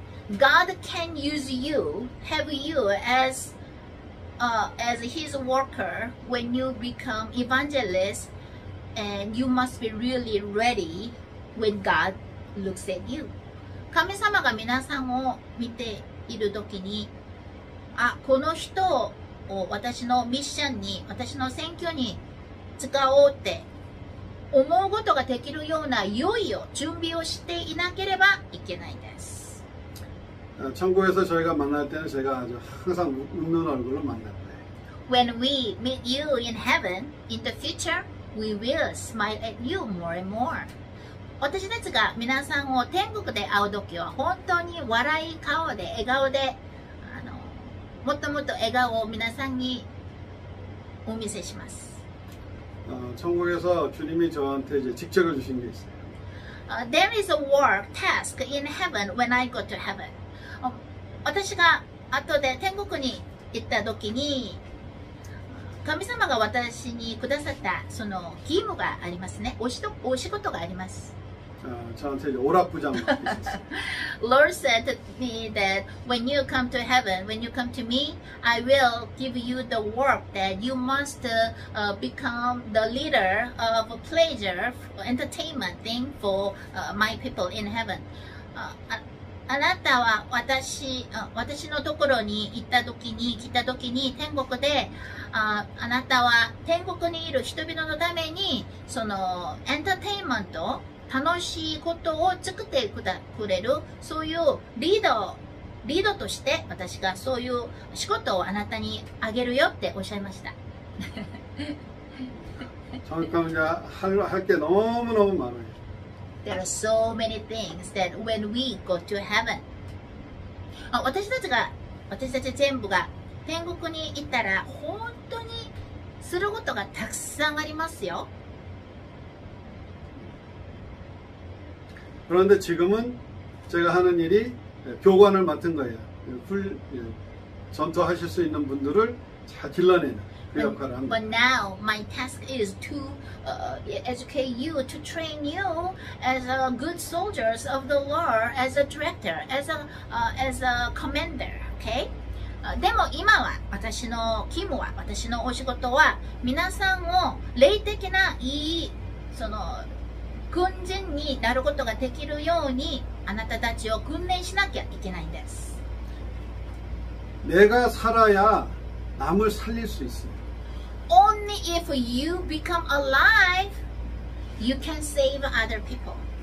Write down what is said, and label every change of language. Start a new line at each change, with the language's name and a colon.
English: God can use you, have you as as His worker when you become evangelist, and you must be really ready when God looks at you.
Japanese: 神様が皆さんを見ているときに、あ、この人を私のミッションに、私の選挙に使おうって思うことができるような良いを準備をしていなければいけないです。
Korean: 천국에서저희가만날때는제가아주항상웃는얼굴로만날거예요。
English: When we meet you in heaven, in the future, we will smile at you more and more.
Japanese: 私たちが皆さんを天国で会うときは本当に笑い顔で笑顔で、あのもっともっと笑顔を皆さんにお見せします。
Korean: 천국에서주님이저한테이제직접해주신게있어요。
English: There is a work task in heaven when I go to heaven.
Japanese: 私が後で天国に行ったときに、神様が私にくださったその義務がありますね。お仕事があります。
English: Lord said to me that when you come to heaven, when you come to me, I will give you the work that you must become the leader of a pleasure entertainment thing for my people in heaven.
Japanese: あなたは私のところに行った時に来た時に天国で あなたは天国にいる人々のためにそのエンターテインメント楽しいことを作ってくれるそういうリードとして私がそういう仕事をあなたにあげるよっておっしゃいました。その感じは
Korean: 할게너무너무많아요。
English: There are so many things that when we go to heaven.
Japanese: 私たち全部が天国に行ったら本当にすることがたくさんありますよ。
Korean: 그런데지금은제가하는일이교관을맡은거예요훌전투하실수있는분들을잘길러내는
English: But now my task is to educate you, to train you as a good soldiers of the Lord, as a director, as a commander. Okay?
Japanese: でも今は私の勤務は私のお仕事は皆さんを霊的ないいその軍人になることができるようにあなたたちを訓練しなきゃいけないんです。
Korean: 내가살아야남을살릴수있습니다。
English: Only if you become alive, you can save other people.